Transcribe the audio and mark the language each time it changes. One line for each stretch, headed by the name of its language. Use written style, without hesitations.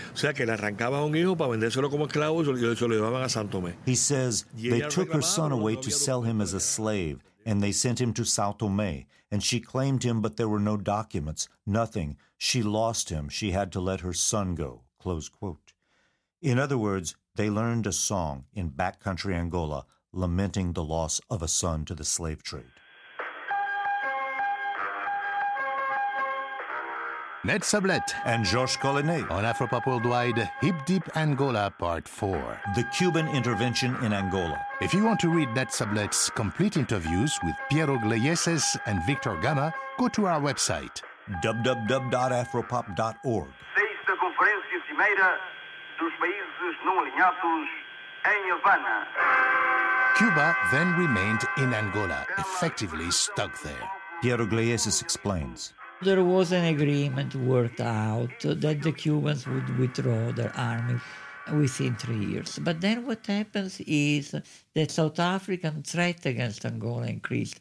Spanish: O sea, que le arrancaba a un hijo para vendérselo como esclavo y se lo llevaban a San Tomé.
English: He says, they took her son away to sell him as a slave, and they sent him to São Tomé. And she claimed him, but there were no documents, nothing. She lost him. She had to let her son go, close quote. In other words, they learned a song in backcountry Angola lamenting the loss of a son to the slave trade. Ned Sublette and Georges Collinet on Afropop Worldwide, Hip Deep Angola Part 4. The Cuban Intervention in Angola. If you want to read Ned Sublette's complete interviews with Piero Gleyeses and Victor Gama, go to our website, www.afropop.org.
Portuguese: Sexta conferência cimeira dos países não alinhados em Havana.
English: Cuba then remained in Angola, effectively stuck there. Piero Gleyeses explains. There was an agreement worked out that the Cubans would withdraw their army within 3 years. But then what happens is that South African threat against Angola increased.